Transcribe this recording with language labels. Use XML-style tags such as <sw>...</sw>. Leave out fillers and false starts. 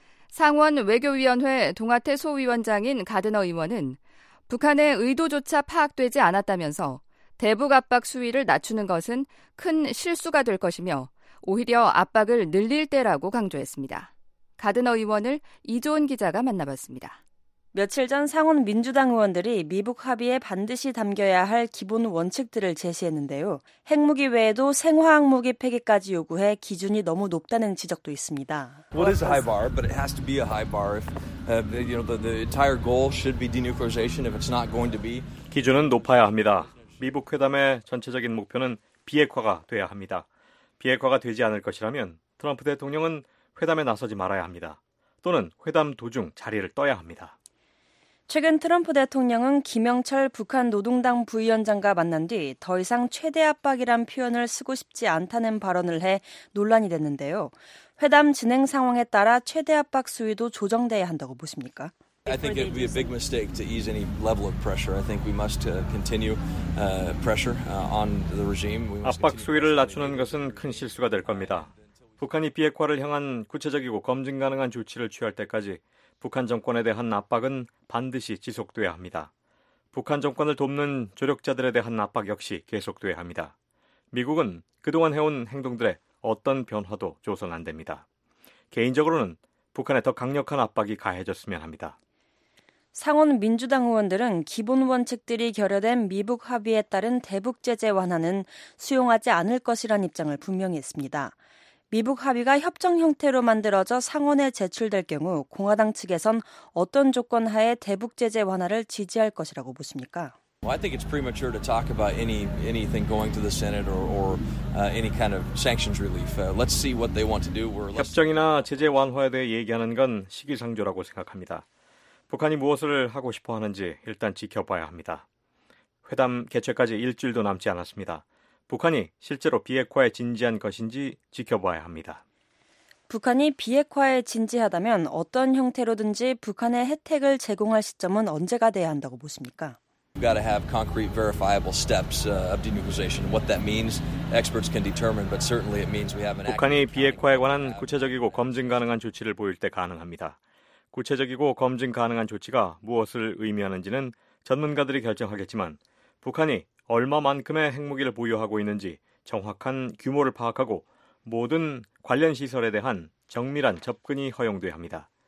<ko>상원 외교위원회 동아태 소위원장인 가드너 의원은 북한의 의도조차 파악되지 않았다면서 대북 압박 수위를 낮추는 것은 큰 실수가 될 것이며 오히려 압박을 늘릴 때라고 강조했습니다. 가드너 의원을 이조은 기자가 만나봤습니다. 며칠 전 상원 민주당 의원들이 미북 합의에 반드시 담겨야 할 기본 원칙들을 제시했는데요. 핵무기 외에도 생화학 무기 폐기까지 요구해 기준이 너무 높다는 지적도 있습니다.</ko> <en>What is a high bar? But it has to be a high bar. If you know the entire goal should be denuclearization, if it's not going to be.</en> <ko>기준은 높아야 합니다. 미북 회담의 전체적인 목표는 비핵화가 돼야 합니다. 비핵화가 되지 않을 것이라면 트럼프 대통령은 회담에 나서지 말아야 합니다. 또는 회담 도중 자리를 떠야 합니다. 최근 트럼프 대통령은 김영철 북한 노동당 부위원장과 만난 뒤 더 이상 최대 압박이란 표현을 쓰고 싶지 않다는 발언을 해 논란이 됐는데요. 회담 진행 상황에 따라 최대 압박 수위도 조정돼야 한다고 보십니까?</ko> <en>I think it would be a big mistake to ease any level of pressure. I think we must continue pressure on the regime.</en> <ko>압박 수위를 낮추는 것은 큰 실수가 될 겁니다. 북한이 비핵화를 향한 구체적이고 검증 가능한 조치를 취할 때까지 북한 정권에 대한 압박은 반드시 지속돼야 합니다. 북한 정권을 돕는 조력자들에 대한 압박 역시 계속돼야 합니다. 미국은 그동안 해온 행동들의 어떤 변화도 조선 안 됩니다. 개인적으로는 북한에 더 강력한 압박이 가해졌으면 합니다. 상원 민주당 의원들은 기본 원칙들이 결여된 미북 합의에 따른 대북 제재 완화는 수용하지 않을 것이란 입장을 분명히 했습니다. 미북 합의가 협정 형태로 만들어져 상원에 제출될 경우 공화당 측에선 어떤 조건 하에 대북 제재 완화를 지지할 것이라고 보십니까?</ko> <en>Well, I think it's premature to talk about anything going to the Senate or any kind of sanctions relief. Let's see what they want to do.</en> <ko>협정이나 제재 완화에 대해 얘기하는 건 시기상조라고 생각합니다. 북한이 무엇을 하고 싶어 하는지 일단 지켜봐야 합니다. 회담 개최까지 일주일도 남지 않았습니다. 북한이 실제로 비핵화에 진지한 것인지 지켜봐야 합니다. 북한이 비핵화에 진지하다면 어떤 형태로든지 북한의 혜택을 제공할 시점은 언제가 돼야 한다고 보십니까?</ko> <en>We've got to have concrete verifiable steps of denuclearization. What that means, experts can determine, but certainly it means we have an</en> <ko>북한이 비핵화에 관한 구체적이고 검증 가능한 조치를 보일 때 가능합니다. 구체적이고 검증 가능한 조치가 무엇을 의미하는지는 전문가들이 결정하겠지만 북한이 얼마만큼의 핵무기를 보유하고 있는지 정확한 규모를 파악하고 모든 관련 시설에 대한 정밀한 접근이 허용돼야 합니다.</ko>